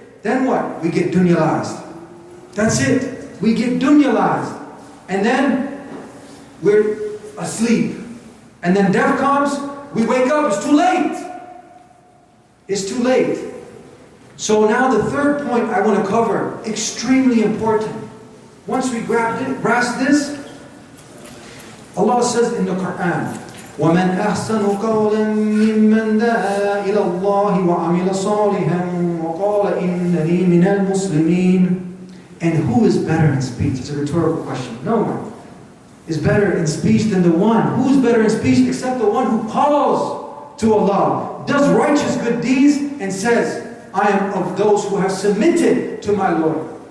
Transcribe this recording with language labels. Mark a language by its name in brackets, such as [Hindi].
[English] Then what? We get dunyalized. That's it. We get dunyalized. And then we're asleep. And then death comes, we wake up, it's too late. It's too late. So now the third point I want to cover, extremely important. Once we grasp this, Allah says in the Quran, [Arabic] وَمَنْ أَحْسَنُ قَوْلًا مِّمَّنْ دَعَى إِلَى اللَّهِ وَعَمِلَ صَالِحًا وَقَالَ إِنَّنِي مِنَ الْمُسْلِمِينَ. [English] And who is better in speech? It's a rhetorical question. No one is better in speech than the one. Who's better in speech except the one who calls to Allah, does righteous good deeds, and says, I am of those who have submitted to my Lord.